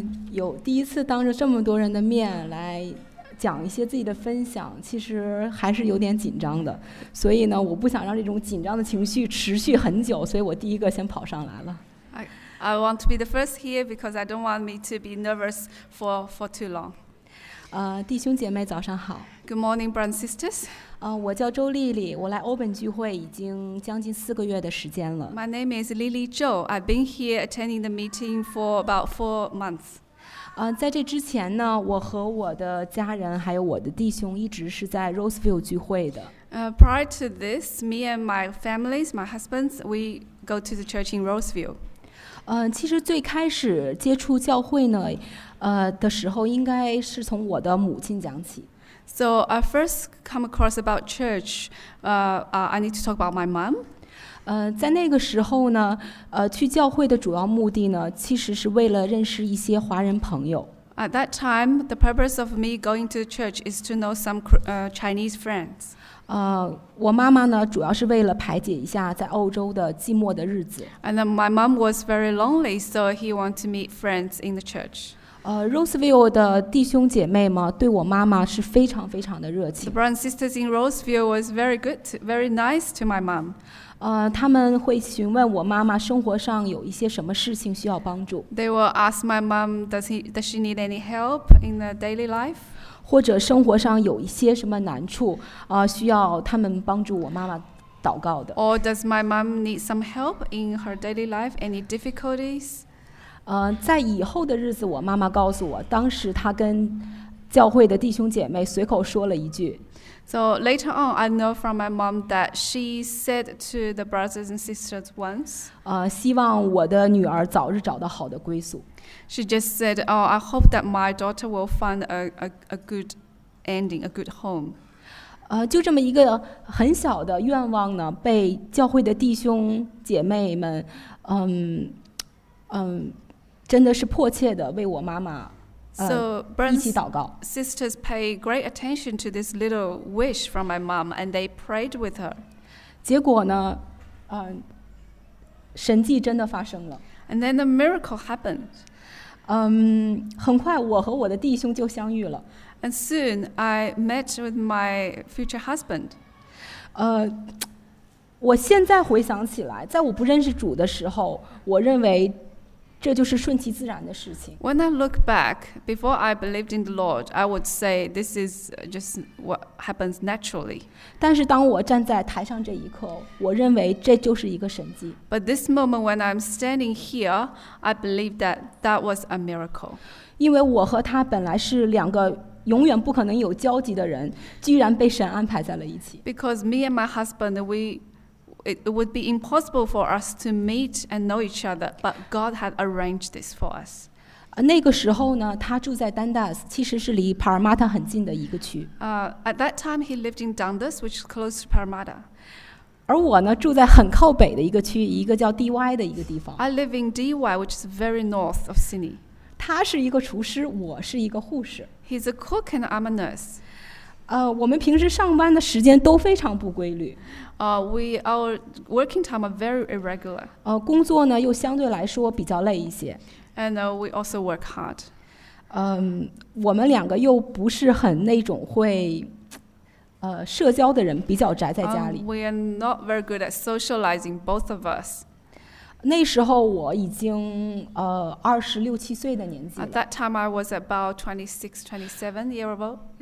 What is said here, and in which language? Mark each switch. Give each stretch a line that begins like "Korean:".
Chinese: 有第一次当着这么多人的面来讲一些自己的分享，其实还是有点紧张的，所以呢我不想让这种紧张的情绪持续很久，所以我第一个先跑上来了。
English: I want to be the first here because I don't want me to be nervous for too long.
Chinese: 弟兄姐妹早上好。
English: Good morning, brothers and sisters.
Chinese: 我叫周丽丽，我来 Open 聚会已经将近四个月的时间了。
English: My name is Lily Zhou. I've been here attending the meeting for about 4 months.
Chinese: 在这之前呢，我和我的家人还有我的弟兄一直是在 Roseville 聚会的。
English: Prior to this, me and my families, my husbands, we go to the church in Roseville.
Chinese: 其实最开始接触教会呢，的时候应该是从我的母亲讲起。
English: So I first come across about church, I need to talk about my mom.
Chinese: 在那个时候呢，去教会的主要目的呢，其实是为了认识一些华人朋友。
English: At that time, the purpose of me going to church is to know some Chinese friends.
Chinese: 我妈妈呢，主要是为了排解一下在欧洲的寂寞的日子。
English: And then my mom was very lonely, so he wanted to meet friends in the church.
Chinese: Roseville 的弟兄姐妹嘛，对我妈妈是非常非常的热情。
English: The brothers and sisters in Roseville was very good, very nice to my mom.
Chinese: 他们会询问我妈妈生活上有一些什么事情需要帮助。
English: They will ask my mom, does she need any help in the daily life?
Chinese: 或者生活上有一些什么难处，需要他们帮助我妈妈祷告的。
English: Or does my mom need some help in her daily life, any difficulties?
Chinese: 在以后的日子，我妈妈告诉我，当时她跟教会的弟兄姐妹随口说了一句。
English: So later on, I know from my mom that she said to the brothers and sisters once,
Chinese: 希望我的女儿早日找到好的归宿。
English: She just said, oh, I hope that my daughter will find a good ending, a good home.
Chinese: 就这么一个很小的愿望呢，被教会的弟兄姐妹们，真的是迫切的为我妈妈
English: So, Brian's sisters pay great attention to this little wish from my mom, and they prayed with her.
Chinese: 结果呢，神迹真的发生了。
English: And then the miracle happened.
Chinese: 很快我和我的弟兄就相遇了。
English: And soon I met with my future husband.
Chinese: 我现在回想起来，在我不认识主的时候，我认为。这就是顺其自然的事情。
English: When I look back, before I believed in the Lord, I would say this is just what happens naturally.
Chinese: 但是当我站在台上这一刻，我认为这就是一个神迹。
English: But this moment when I'm standing here, I believe that was a miracle.
Chinese: 因为我和他本来是两个永远不可能有交集的人，居然被神安排在了一起。
English: Because me and my husband, It would be impossible for us to meet and know each other, but God had arranged this for us.
Chinese: 那个时候呢，他住在 Dundas， 其实是离 Parramatta 很近的一个区。
English: At that time, he lived in Dundas, which is close to Parramatta.
Chinese: 而我呢，住在很靠北的一个区，一个叫 DY 的一个地方。
English: I live in DY, which is very north of Sydney.
Chinese: 他是一个厨师，我是一个护士。
English: He's a cook and I'm a nurse.
Chinese: 我们平时上班的时间都非常不规律。
English: Our working time are very irregular.
Chinese: 工作呢又相对来说比较累一些。
English: And we also work hard.
Chinese: 我们两个又不是很那种会社交的人，比较宅在家里。
English: We are not very good at socializing, both of us.
Chinese: 那时候我已经26、27岁的年纪了。
English: At that time, I was about 26, 27 years old.